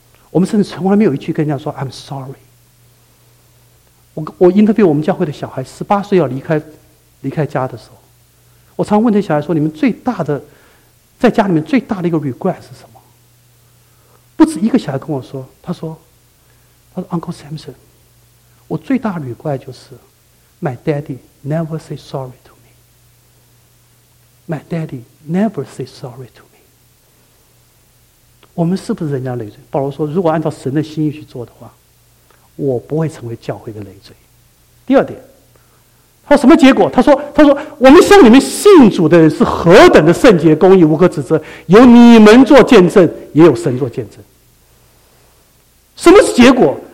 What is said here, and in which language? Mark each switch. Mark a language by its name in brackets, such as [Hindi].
[Chinese] 我们甚至从来没有一句跟人家说 [English] "I'm sorry"。 [Chinese] 我 interview 我们教会的小孩，18岁要离开家的时候，我常问这小孩说："你们最大的在家里面最大的一个 regret 是什么？" 不止一个小孩跟我说，他说 "Uncle Samson"。我最大的regret就是 [English] My daddy never say sorry to me. My daddy never say sorry to me. [Chinese] 我们是不是人家累赘？保罗说，如果按照神的心意去做的话，我不会成为教会的累赘。第二点，他说什么结果？他说我们向你们信主的人是何等的圣洁、公义、无可指责，有你们做见证，也有神做见证。什么是结果？